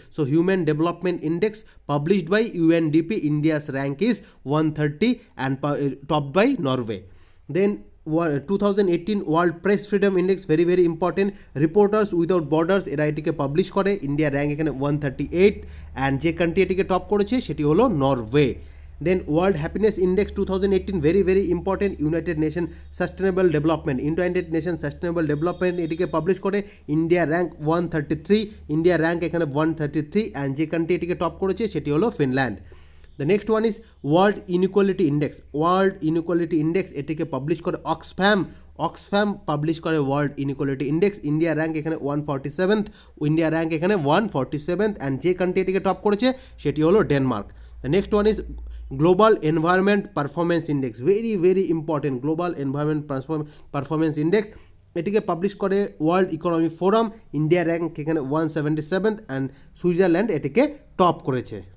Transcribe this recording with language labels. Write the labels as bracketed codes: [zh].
[en] So human development index published by UNDP, India's rank is 130 and top by Norway. Then 2018 World Press Freedom Index, very very important, Reporters Without Borders [bn] এরা এটিকে publish করে। India rank এখানে 138, and যে country এটিকে top করেছে সেটি হলো Norway. [en] then world happiness index 2018, very very important, United Nation sustainable development, United Nation sustainable development [bn] এটিকে পাবলিশ করে। ইন্ডিয়া র্যাঙ্ক 133, ইন্ডিয়া র্যাঙ্ক এখানে 133, অ্যান্ড যে কান্ট্রি এটিকে টপ করেছে সেটি হলো Finland. [en] The next one is World Inequality Index. [bn] World Inequality Index এটিকে publish করে অক্সফ্যাম, অক্সফ্যাম পাবলিশ করে world inequality index. India rank এখানে 147, ইন্ডিয়া র্যাঙ্ক এখানে 147, অ্যান্ড যে কান্ট্রি এটিকে টপ করেছে সেটি হলো Denmark. [en] the next one is global environment performance index, very very important global environment performance index [bn] এটিকে পাবলিশ করে [en] World Economy Forum. India rank এখানে 177, and Switzerland [bn] এটিকে টপ করেছে।